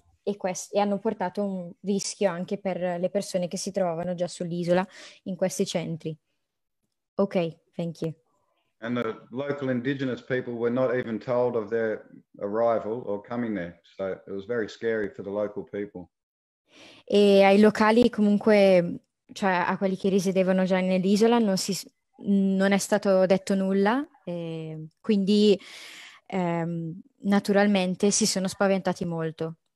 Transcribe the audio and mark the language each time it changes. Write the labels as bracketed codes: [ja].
[it] E hanno portato un rischio anche per le persone che si trovano già sull'isola in questi centri. [en] Ok, thank you. And the local indigenous people were not even told of their arrival or coming there, so it was very scary for the local people. [it] E ai locali comunque, cioè a quelli che risiedevano già nell'isola, non è stato detto nulla, quindi naturalmente si sono spaventati molto.